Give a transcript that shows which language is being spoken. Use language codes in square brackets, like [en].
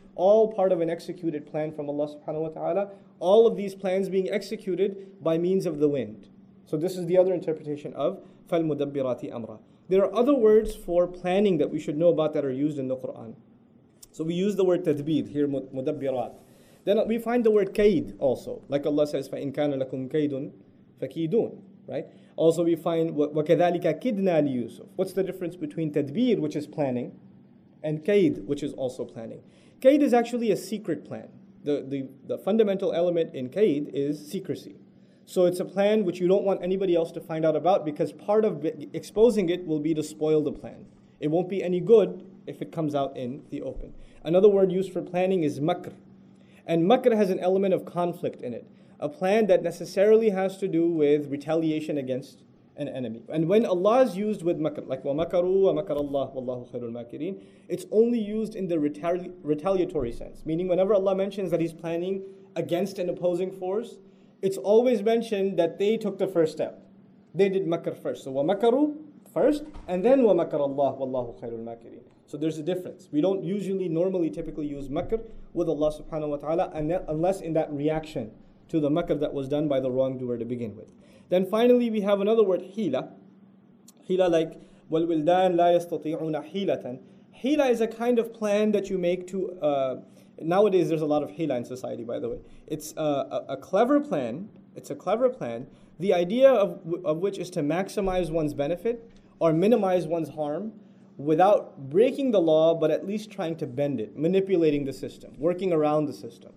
[en] All part of an executed plan from Allah subhanahu wa ta'ala. All of these plans being executed by means of the wind. So this is the other interpretation of [ar] فَالْمُدَبِّرَاتِ أَمْرًا. [en] There are other words for planning that we should know about that are used in the Qur'an. So we use the word tadbir here, مُدَبِّرَات. Then we find the word kaid also. Like Allah says, [ar] فَإِن كَانَ لَكُمْ كَيْدٌ فَكِيدُونَ. [en] Right? Also we find [ar] وَكَذَلِكَ كِدْنَا لِيُوسُفَ. [en] What's the difference between tadbir, which is planning, and kaid, which is also planning? Kaid is actually a secret plan. The fundamental element in kaid is secrecy. So it's a plan which you don't want anybody else to find out about, because part of exposing it will be to spoil the plan. It won't be any good if it comes out in the open. Another word used for planning is makr. And makr has an element of conflict in it. A plan that necessarily has to do with retaliation against an enemy. And when Allah is used with makr, like [ar] وَمَكَرُوا وَمَكَرَ اللَّهُ وَاللَّهُ خَيْرُ الْمَاكِرِينَ, [en] it's only used in the retaliatory sense. Meaning whenever Allah mentions that He's planning against an opposing force, it's always mentioned that they took the first step. They did makr first. So [ar] وَمَكَرُوا [en] first, and then [ar] وَمَكَرَ اللَّهُ وَاللَّهُ خَيْرُ الْمَاكِرِينَ. [en] So there's a difference. We don't typically use makr with Allah subhanahu wa ta'ala unless in that reaction to the makr that was done by the wrongdoer to begin with. Then finally we have another word, hila. Hila like [ar] وَالْوِلْدَانَ لَا يَسْتَطِيعُونَ حِيلَةً. [en] Hila is a kind of plan that you make to... Nowadays, there's a lot of hila in society, by the way. It's a clever plan. It's a clever plan. The idea of which is to maximize one's benefit or minimize one's harm without breaking the law, but at least trying to bend it, manipulating the system, working around the system.